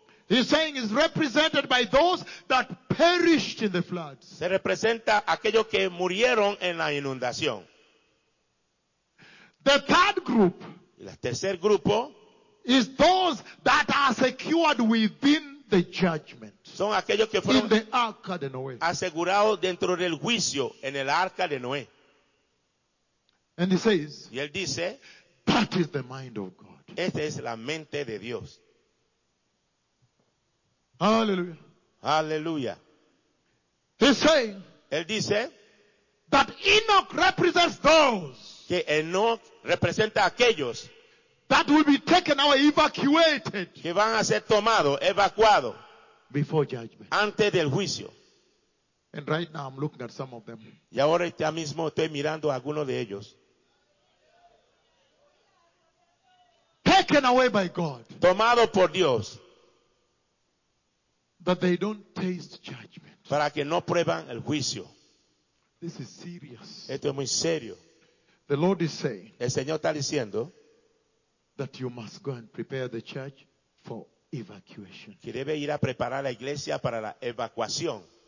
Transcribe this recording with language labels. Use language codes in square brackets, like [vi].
[en] He's saying is represented by those that perished in the floods. [es] Se representa aquellos que murieron en la inundación. [en] The third group. [es] El tercer grupo. [en] Is those that are secured within the judgment. [es] Son aquellos que fueron [en] in the [es] arca de Noé. Asegurados dentro del juicio en el arca de Noé. [en] And he says, [es] y él dice, [en] that is the mind of God. [es] Esta es la mente de Dios. Hallelujah. Hallelujah. [en] He's saying, [es] él dice, [en] that Enoch represents those. [es] Que Enoch representa a aquellos. [en] That will be taken or evacuated. [es] Que van a ser tomado, evacuado. [en] Before judgment. [es] Antes del juicio. [en] And right now I'm looking at some of them. [es] Y ahora ya mismo estoy mirando a algunos de ellos. [en] Taken away by God. [es] Tomado por Dios. [en] that they don't taste judgment. [es] Para que no prueban el juicio. [en] This is serious. [es] Esto es muy serio. [en] The Lord is saying, [es] el Señor está diciendo, [en] that you must go and prepare the church for evacuation. [es] Que debe ir a preparar la iglesia para la evacuación.